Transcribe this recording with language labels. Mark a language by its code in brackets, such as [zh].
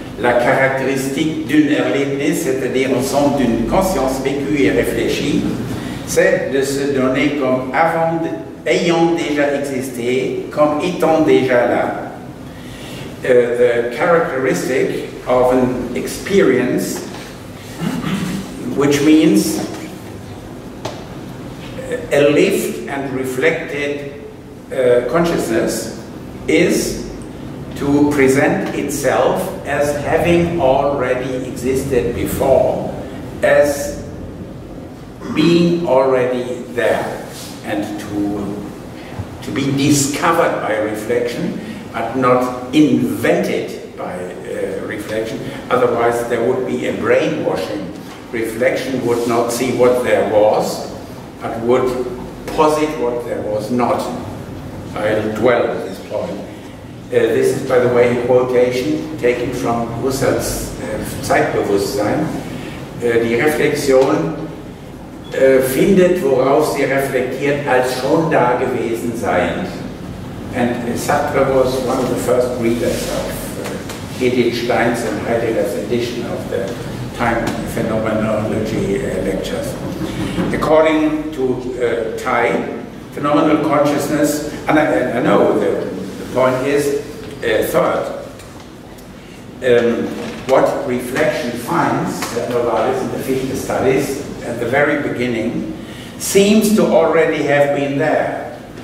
[fr] La caractéristique d'une Erlebnis, c'est-à-dire ensemble d'une conscience vécue et réfléchie. C'est de se donner comme avant, ayant déjà existé, comme étant déjà là. [en] The characteristic of an experience, which means a lived and reflected consciousness, is to present itself as having already existed before, as being already there, and to be discovered by reflection, but not invented by reflection. Otherwise, there would be a brainwashing. Reflection would not see what there was, but would posit what there was not. I'll dwell on this point. This is, by the way, a quotation taken from Husserl's Zeitbewusstsein. [de] Die Reflexion findet, worauf sie reflektiert, als schon da gewesen seiend. [en] And Sartre was one of the first readers of Edith Stein's and Heidegger's edition of the Time Phenomenology lectures. According to Tai, phenomenal consciousness, and I know the point is, third, what reflection finds, that Novalis in the Fichte studies, at the very beginning, seems to already have been there.